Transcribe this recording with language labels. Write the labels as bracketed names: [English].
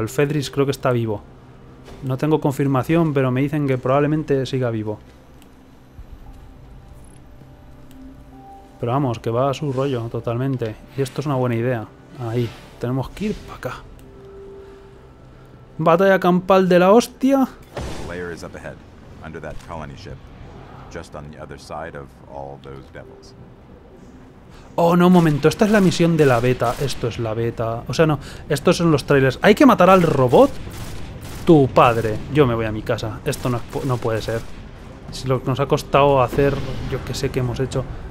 [Spanish] El Fedris creo que está vivo. No tengo confirmación, pero me dicen que probablemente siga vivo. Pero vamos, que va a su rollo totalmente. Y esto es una buena idea. Ahí, tenemos que ir para acá. Batalla campal de la hostia... [English] Layer is up ahead, under that colony ship, just on the other side of all those devils. [Spanish] Oh, no, un momento. Esta es la misión de la beta. Esto es la beta. O sea, no. Estos son los trailers. ¿Hay que matar al robot? Tu padre. Yo me voy a mi casa. Esto no puede ser. Si lo que nos ha costado hacer, yo qué sé qué hemos hecho.